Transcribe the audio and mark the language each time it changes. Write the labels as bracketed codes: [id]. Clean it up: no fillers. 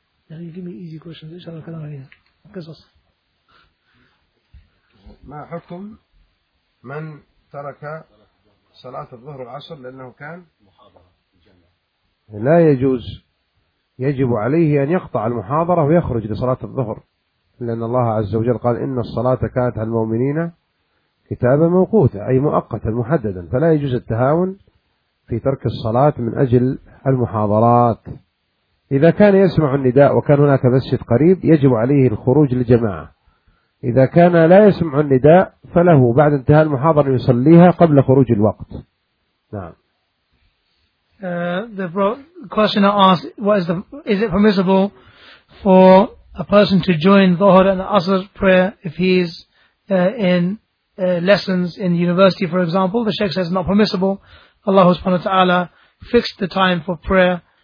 [en] Now you give me easy questions. Inshallah, قصص. [ar] ما حكم من ترك صلاة الظهر والعصر لأنه كان محاضرة؟ لا يجوز، يجب عليه أن يقطع المحاضرة ويخرج لصلاة الظهر، لأن الله عز وجل قال إن الصلاة كانت على المؤمنين كتابا موقوتا، أي مؤقتا محددا، فلا يجوز التهاون في ترك الصلاة من أجل المحاضرات. إذا كان يسمع النداء وكان هناك مسجد قريب يجب عليه الخروج للجماعة، إذا كان لا يسمع النداء فله بعد انتهاء المحاضرة يصليها قبل خروج الوقت. نعم. [en] The questioner asked, is it permissible for a person to join Dhuhr and Asr prayer if he is in lessons in university, for example? The Sheikh says not permissible. Allah subhanahu wa ta'ala fixed the time for prayer.